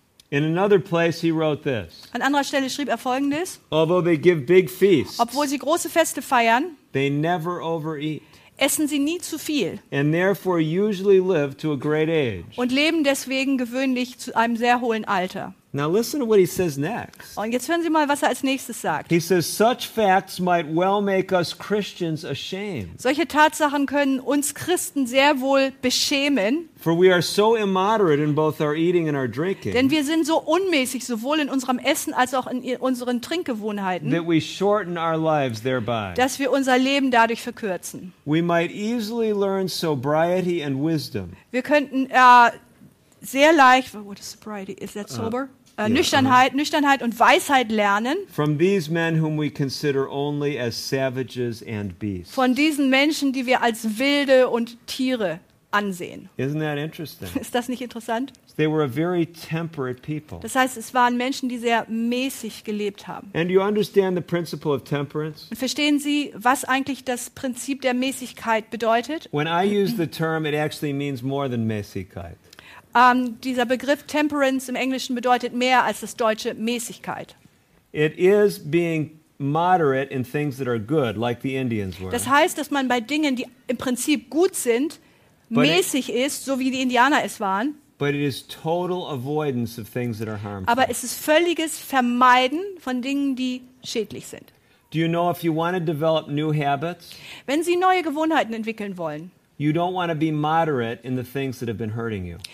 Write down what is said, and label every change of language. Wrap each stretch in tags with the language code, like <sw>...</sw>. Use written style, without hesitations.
<en>In another place he wrote this.</en> <de>An anderer Stelle schrieb er Folgendes.</de> <en>Although they give big feasts,</en> <de>obwohl sie große Feste feiern,</de> <en>they never overeat.</en> <de>Essen Sie nie zu viel.</de> <en>And therefore usually live to a great age.</en> <de>Und leben deswegen gewöhnlich zu einem sehr hohen Alter.</de> <en>Now listen to what he says next.</en> <de>Und jetzt hören Sie mal, was er als nächstes sagt.</de> <en>He says, such facts might well make us Christians ashamed.</en> <de>Solche Tatsachen können uns Christen sehr wohl beschämen.</de> <en>For we are so immoderate in both our eating and our drinking.</en> <de>Denn wir sind so unmäßig, sowohl in unserem Essen als auch in unseren Trinkgewohnheiten.</de> <en>That we shorten our lives thereby.</en> <de>Dass wir unser Leben dadurch verkürzen.</de> <en>We might easily learn sobriety and wisdom.</en> <de>Wir könnten sehr leicht,</de> <en>what is sobriety? Is that sober?</en> <de>Nüchternheit und Weisheit lernen.</de> <en>From these men whom we consider only as savages and beasts.</en> <de>Von diesen Menschen, die wir als Wilde und Tiere ansehen.</de> <en>Isn't that interesting?</en> <de>Ist das nicht interessant?</de> <en>They were a very temperate people.</en> <de>Das heißt, es waren Menschen, die sehr mäßig gelebt haben.</de> <en>And you understand the principle of temperance?</en> <de>Und verstehen Sie, was eigentlich das Prinzip der Mäßigkeit bedeutet?</de> <en>When I use the term, it actually means more than Mäßigkeit.</en> <de>Dieser Begriff Temperance im Englischen bedeutet mehr als das deutsche Mäßigkeit.</de> <en>It is being moderate in things that are good, like the Indians were.</en> <de>Das heißt, dass man bei Dingen, die im Prinzip gut sind, mäßig ist, so wie die Indianer es waren.</de> <en>But it is total avoidance of things that are harmful.</en> <de>Aber es ist völliges Vermeiden von Dingen, die schädlich sind.</de> <en>Do you know if you want to develop new habits?</en> <de>Wenn Sie neue Gewohnheiten entwickeln wollen,</de> <en>you don't want to be moderate in the things that have been hurting you.</en>